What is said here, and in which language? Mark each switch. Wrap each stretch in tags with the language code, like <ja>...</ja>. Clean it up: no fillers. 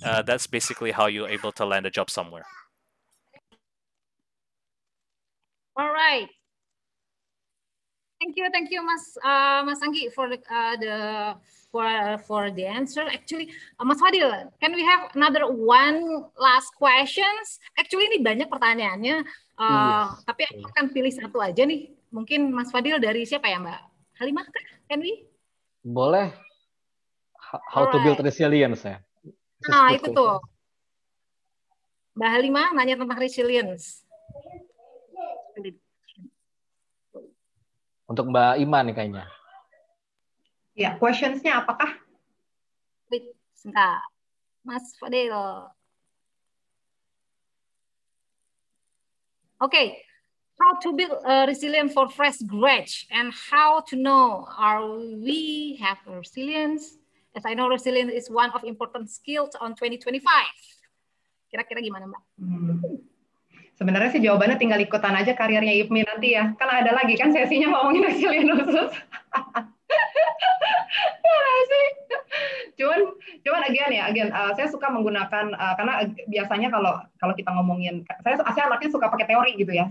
<en>That's basically how you're able to land a job somewhere. All right. Thank you, Mas Mas Anggi for the answer. Actually, Mas Fadil, can we have another one last questions?</en> <id>Actually, ini banyak pertanyaannya. Tapi aku akan pilih satu aja nih. Mungkin Mas Fadil dari siapa ya, Mbak Halimah?</id> <en>Can we?</en> <id>Boleh.</id> <en>How to build resilience ya?</en> <id>Nah, itu tuh. Mbak Halimah nanya tentang resilience. Untuk Mbak Iman kayaknya. Ya, questions-nya apakah? Wait, sebentar. Mas Fadil. Oke, okay.</id> <en>How to build a resilience for fresh grads and how to know are we have resilience? As I know, resilience is one of important skills on 2025.</en> <id>Kira-kira gimana, Mbak? Sebenarnya sih jawabannya tinggal ikutan aja karirnya IPMI nanti ya. Kan ada lagi kan sesinya ngomongin resilience khusus. Cuman again, saya suka menggunakan, karena biasanya kalau kita ngomongin, saya anaknya suka pakai teori gitu ya.</id>